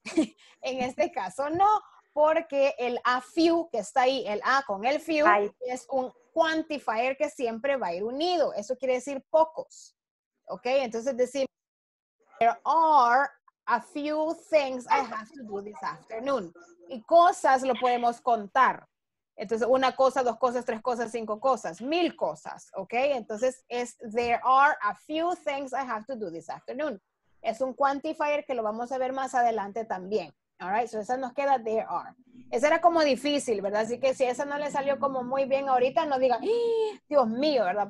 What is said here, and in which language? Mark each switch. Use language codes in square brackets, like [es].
[es] En este caso, no, porque el a few que está ahí, el a con el few, es un quantifier que siempre va a ir unido. Eso quiere decir pocos. ¿Ok? Entonces decimos, [en] there are a few things I have to do this afternoon. [es] Y cosas lo podemos contar. Entonces, una cosa, dos cosas, tres cosas, cinco cosas, mil cosas, ¿ok? Entonces, es [en] there are a few things I have to do this afternoon. [es] Es un quantifier que lo vamos a ver más adelante también. [en] All right, so [es] esa nos queda there are. Esa era como difícil, ¿verdad? Así que si esa no le salió como muy bien ahorita, no diga, Dios mío, ¿verdad?